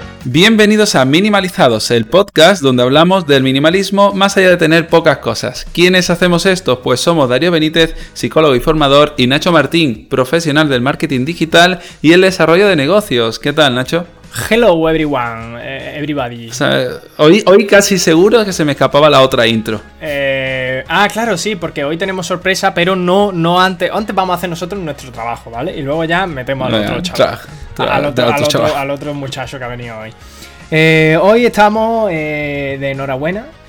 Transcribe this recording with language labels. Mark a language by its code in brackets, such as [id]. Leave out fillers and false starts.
[es] Bienvenidos a Minimalizados, el podcast donde hablamos del minimalismo más allá de tener pocas cosas. ¿Quiénes hacemos esto? Pues somos Darío Benítez, psicólogo y formador, y Nacho Martín, profesional del marketing digital y el desarrollo de negocios. ¿Qué tal, Nacho? [en] Hello everyone, everybody. [es] O sea, hoy casi seguro que se me escapaba la otra intro. Claro, sí, porque hoy tenemos sorpresa, pero no antes. Antes vamos a hacer nosotros nuestro trabajo, ¿vale? Y luego ya metemos al otro chaval. Al otro muchacho que ha venido hoy. Hoy estamos de enhorabuena.